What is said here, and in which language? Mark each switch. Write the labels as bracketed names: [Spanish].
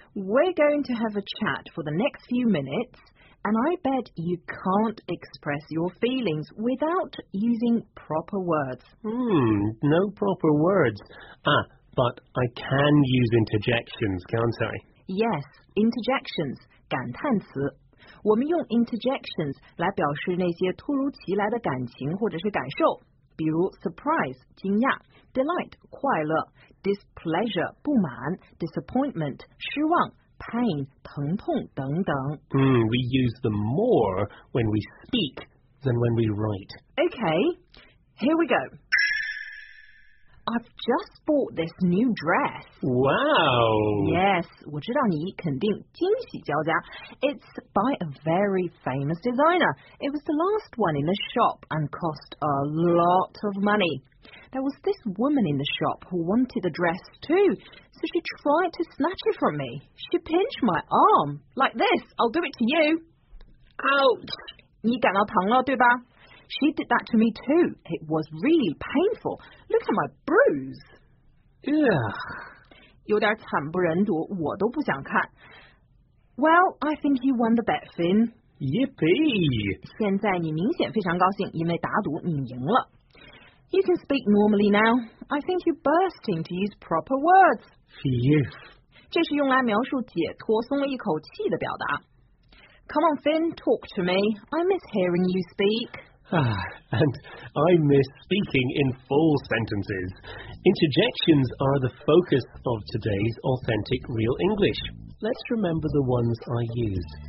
[English] We're going to have a chat for the next few minutes, and I bet you can't express your feelings without using proper words. No proper words. Ah, but I can use interjections, can't I? Yes, interjections, 感叹词。 [Chinese] 我们用 interjections 来表示那些突如其来的感情或者是感受，比如 surprise 惊讶， delight 快乐， displeasure 不满， disappointment 失望， pain 疼痛等等。 [English] We use them more when we speak than when we write. Okay, here we go. I've just bought this new dress. Wow! [Chinese] Yes, 我知道你肯定惊喜交加。 [English] It's by a very famous designer. It was the last one in the shop and cost a lot of money. There was this woman in the shop who wanted a dress too, so she tried to snatch it from me. She pinched my arm, like this. I'll do it to you. Ouch! [Chinese] 你感到疼了，对吧？ [English] She did that to me too. It was really painful. Look at my bruise. Ugh. [Chinese] 有点惨不忍睹，我都不想看。 [English] Well, I think you won the bet, Finn. Yippee! [Chinese] 现在你明显非常高兴，因为打赌你赢了。 [English] You can speak normally now. I think you're bursting to use proper words. Phew. [Chinese] 这是用来描述解脱、松了一口气的表达。 [English] Come on, Finn, talk to me. I miss hearing you speak. And I miss speaking in full sentences. Interjections are the focus of today's authentic real English. Let's remember the ones I use.